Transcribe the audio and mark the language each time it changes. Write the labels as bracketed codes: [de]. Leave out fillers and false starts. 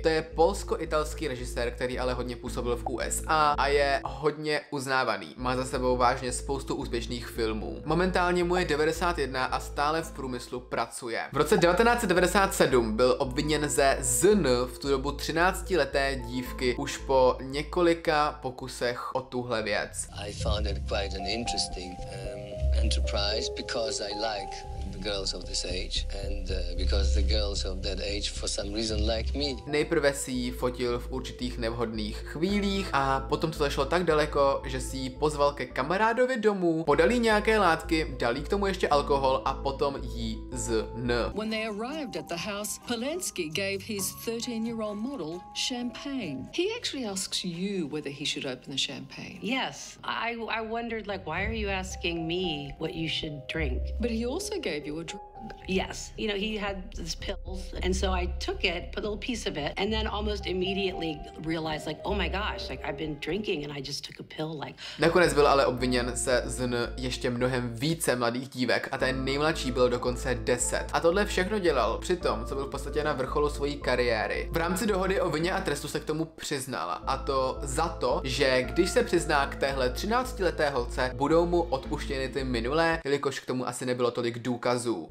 [cs] To je polsko-italský režisér, který ale hodně působil v USA a je hodně uznávaný. Má za sebou vážně spoustu úspěšných filmů. Momentálně mu je 91 a stále v průmyslu pracuje. V roce 1997 byl obviněn ze zn v tu dobu 13-leté dívky už po několika pokusech o tuhle věc. [en] I found it quite an interesting enterprise because I like girls of this age and because the girls of that age for some reason like me. [cs] Nejprve si ji fotil v určitých nevhodných chvílích a potom to zašlo tak daleko, že si ji pozval ke kamarádovi domů, podal jí nějaké látky, dal jí k tomu ještě alkohol a potom jí zn. [en] When they arrived at the house, Polański gave his 13-year-old model champagne. He actually asks you whether he should open the champagne. Yes, I wondered like why are you asking me what you should drink? But he also gave you a drink. Yes, you know, he had these pills, and so I took it, put a little piece of it, and then almost immediately realized, like, oh my gosh, like, I've been drinking, and I just took a pill, like... [cs] Nakonec byl ale obviněn se zn ještě mnohem více mladých dívek, a ten nejmladší byl dokonce 10. A tohle všechno dělal při tom, co byl v podstatě na vrcholu svojí kariéry. V rámci dohody o vině a trestu se k tomu přiznala, a to za to, že když se přizná k téhle 13-leté holce, budou mu odpuštěny ty minulé, jelikož k tomu asi nebylo tolik důkazů.